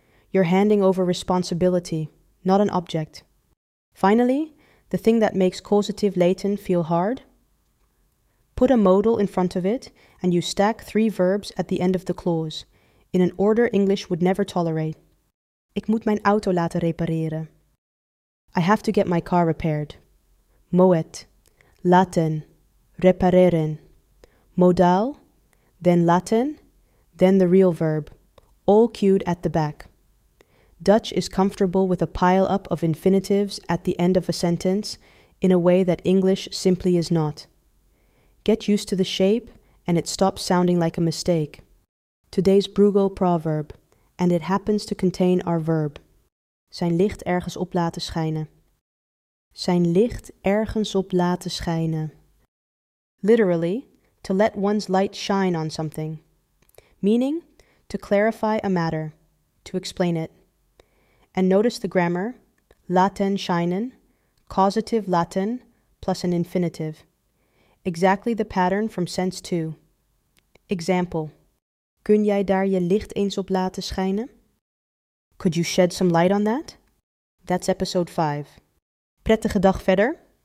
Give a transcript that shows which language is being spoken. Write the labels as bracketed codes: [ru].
[en] You're handing over responsibility, not an object. Finally, the thing that makes causative laten feel hard? Put a modal in front of it and you stack three verbs at the end of the clause, in an order English would never tolerate. [nl] Ik moet mijn auto laten repareren. [en] I have to get my car repaired. Moet, laten, repareren. Modal, then laten, then the real verb, all cued at the back. Dutch is comfortable with a pile-up of infinitives at the end of a sentence in a way that English simply is not. Get used to the shape and it stops sounding like a mistake. Today's Bruegel proverb, and it happens to contain our verb. [nl] Zijn licht ergens op laten schijnen. Zijn licht ergens op laten schijnen. [en] Literally, to let one's light shine on something. Meaning, to clarify a matter, to explain it. And notice the grammar, laten schijnen, causative laten, plus an infinitive. Exactly the pattern from sense 2. Example. [nl] Kun jij daar je licht eens op laten schijnen? [en] Could you shed some light on that? That's episode 5. [nl] Prettige dag verder.